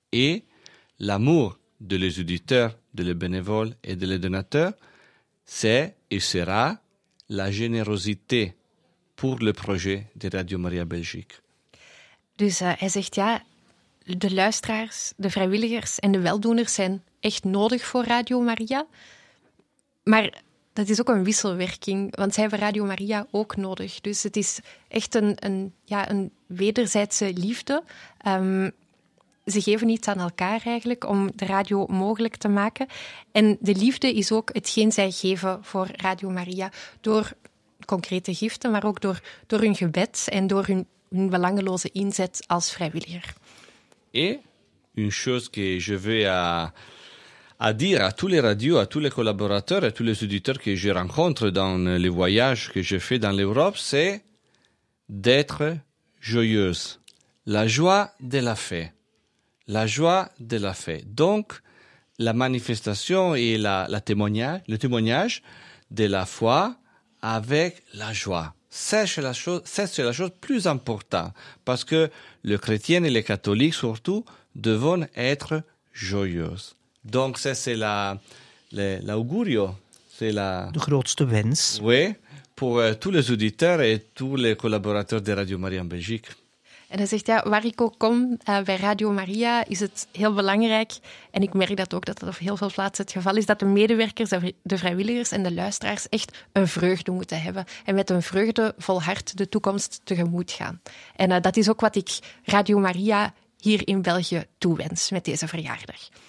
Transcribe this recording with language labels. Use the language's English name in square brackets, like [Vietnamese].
[French] Et l'amour de les auditeurs, de les bénévoles et de les donateurs, c'est et sera la générosité pour le projet de Radio Maria Belgique. [Dutch] Dus hij zegt ja, de luisteraars, de vrijwilligers en de weldoeners zijn echt nodig voor Radio Maria. Maar dat is ook een wisselwerking, want zij hebben Radio Maria ook nodig. Dus het is echt een wederzijdse liefde. Ze geven iets aan elkaar eigenlijk om de radio mogelijk te maken. En de liefde is ook hetgeen zij geven voor Radio Maria. Door concrete giften, maar ook door hun gebed en door hun belangeloze inzet als vrijwilliger. [French] En een chose que je veux à dire à tous les radios, à tous les collaborateurs, à tous les auditeurs que je rencontre dans les voyages que je fais dans l'Europe, c'est d'être joyeuse. La joie de la fête. La joie de la fête. Donc, la manifestation et le témoignage de la foi avec la joie. C'est la chose plus importante. Parce que les chrétiens et les catholiques, surtout, devront être joyeuses. Donc, ça, c'est l'augurio. C'est la. [Dutch] De grootste wens. [French] Oui, pour tous les auditeurs et tous les collaborateurs de Radio Maria en Belgique. [Dutch] En hij zegt, ja, waar ik ook kom bij Radio Maria, is het heel belangrijk, en ik merk dat ook, dat op heel veel plaatsen het geval is, dat de medewerkers, de vrijwilligers en de luisteraars echt een vreugde moeten hebben. En met een vreugdevol hart de toekomst tegemoet gaan. En dat is ook wat ik Radio Maria hier in België toewens met deze verjaardag.